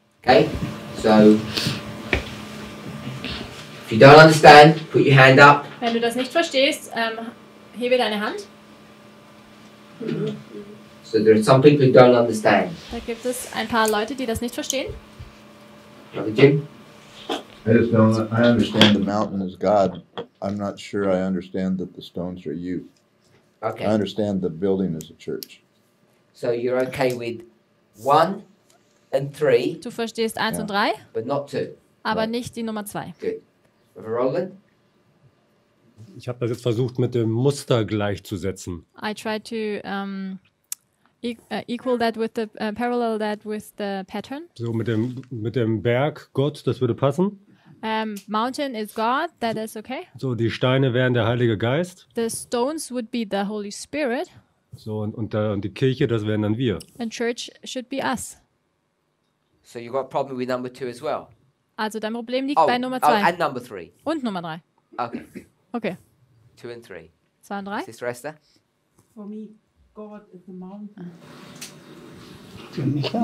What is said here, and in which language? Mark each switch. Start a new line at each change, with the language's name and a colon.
English: Okay, so if you don't understand, put your hand up.
German: Wenn du das nicht verstehst, hebe deine Hand.
English: So there are some people who don't understand.
German: Da gibt es ein paar Leute, die das nicht verstehen.
English: Brother Jim? I just don't. I understand the mountain is God. I'm not sure I understand that the stones are you. Okay. I understand the building is a church. So you're okay with one and three.
German: Du verstehst eins und drei.
English: But not two.
German: Aber nicht die Nummer zwei.
English: Good. Roland.
German: Ich habe das versucht, mit dem Muster gleichzusetzen.
English: I tried to equal that with the parallel that with the pattern.
German: So mit dem Berg Gott, das würde passen.
English: Mountain is God, that is okay.
German: So die Steine wären der Heilige Geist.
English: The stones would be the Holy Spirit.
German: So und die Kirche, das wären dann wir.
English: And church should be us. So you got a problem with number two as well.
German: Also dein Problem liegt bei Nummer zwei.
English: Oh, and number three.
German: Und Nummer drei.
English: Okay. Okay. Two and three.
German: Zwei und drei.
English: Sister Esther. For me, God is the mountain.
German: Ich kann